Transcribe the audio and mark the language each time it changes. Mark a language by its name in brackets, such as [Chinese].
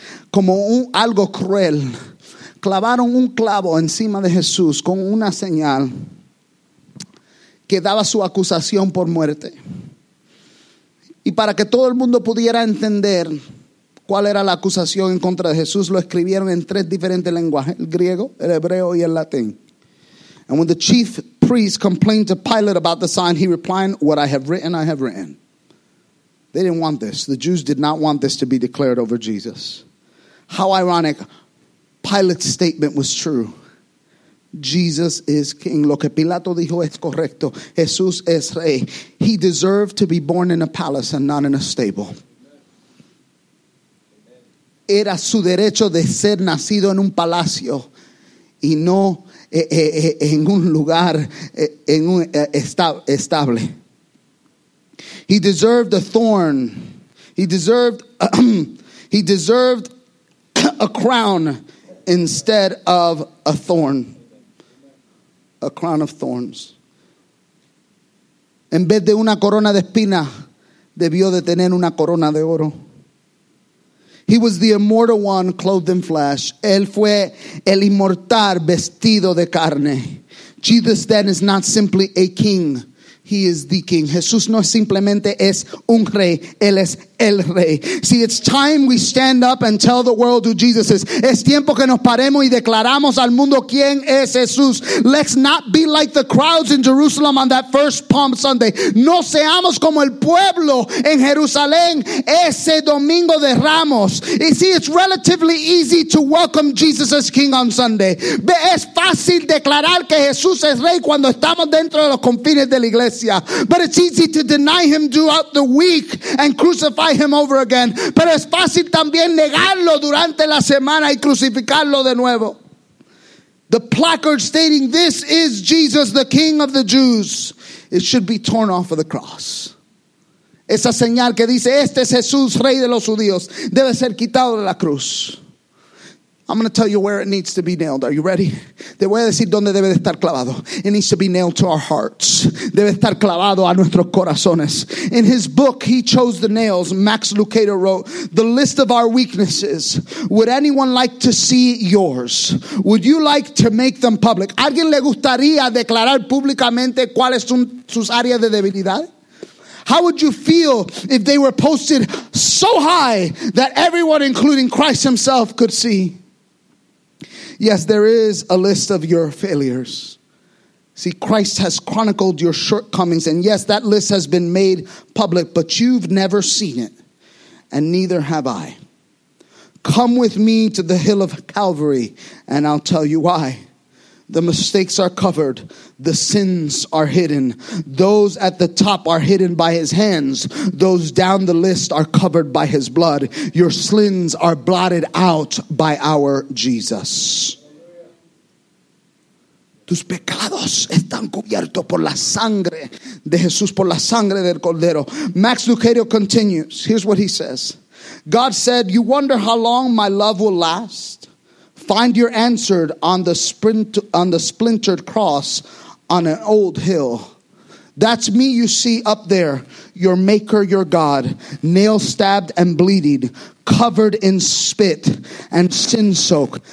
[Spanish] como un, algo cruel, clavaron un clavo encima de Jesús con una señal que daba su acusación por muerte. Y para que todo el mundo pudiera entender cuál era la acusación en contra de Jesús, lo escribieron en tres diferentes lenguajes: el griego, el hebreo y el latín. [English] And when the chief priest complained to Pilate about the sign, he replied, "What I have written, I have written." They didn't want this. The Jews did not want this to be declared over Jesus. How ironic. Pilate's statement was true. Jesus is king. [Spanish] Lo que Pilato dijo es correcto. Jesús es rey. [English] He deserved to be born in a palace and not in a stable. [Spanish] Era su derecho de ser nacido en un palacio y no en un lugar en un estable. [English] He deserved a thorn. He deserved a crown instead of a thorn. A crown of thorns. [Spanish] En vez de una corona de espina, debió de tener una corona de oro. [English] He was the immortal one clothed in flesh. [Spanish] Él fue el inmortal vestido de carne. [English] Jesus then is not simply a king. He is the king. [Spanish] Jesús no simplemente es un rey. Él es el rey. [English] See, it's time we stand up and tell the world who Jesus is. [Spanish] Es tiempo que nos paremos y declaramos al mundo quién es Jesús. [English] Let's not be like the crowds in Jerusalem on that first Palm Sunday. [Spanish] No seamos como el pueblo en Jerusalén ese domingo de Ramos. [English] You see, it's relatively easy to welcome Jesus as king on Sunday. [Spanish] Es fácil declarar que Jesús es rey cuando estamos dentro de los confines de la iglesia. [English] But it's easy to deny him throughout the week and crucify him over again. [Spanish] Pero es fácil también negarlo durante la semana y crucificarlo de nuevo. [English] The placard stating, "This is Jesus, the King of the Jews," it should be torn off of the cross. [Spanish] Esa señal que dice, "Este es Jesús, Rey de los Judíos," debe ser quitado de la cruz. [English] I'm going to tell you where it needs to be nailed. Are you ready? [Spanish] Te voy a decir dónde debe de estar clavado. [English] It needs to be nailed to our hearts. [Spanish] Debe estar clavado a nuestros corazones. [English] In his book, he chose the nails. Max Lucado wrote, "The list of our weaknesses. Would anyone like to see yours? Would you like to make them public?" [Spanish] ¿Alguien le gustaría declarar públicamente cuáles son sus áreas de debilidad? [English] How would you feel if they were posted so high that everyone, including Christ himself, could see? Yes, there is a list of your failures. See, Christ has chronicled your shortcomings. And yes, that list has been made public, but you've never seen it. And neither have I. Come with me to the hill of Calvary, and I'll tell you why. The mistakes are covered. The sins are hidden. Those at the top are hidden by his hands. Those down the list are covered by his blood. Your sins are blotted out by our Jesus. [Spanish] Tus pecados están cubiertos por la sangre de Jesús, por la sangre del Cordero. [English] Max Lucado continues. Here's what he says. God said, "You wonder how long my love will last? Find your answer on the splintered cross on an old hill. That's me you see up there, your maker, your God, nail stabbed and bleeding, covered in spit and sin soak.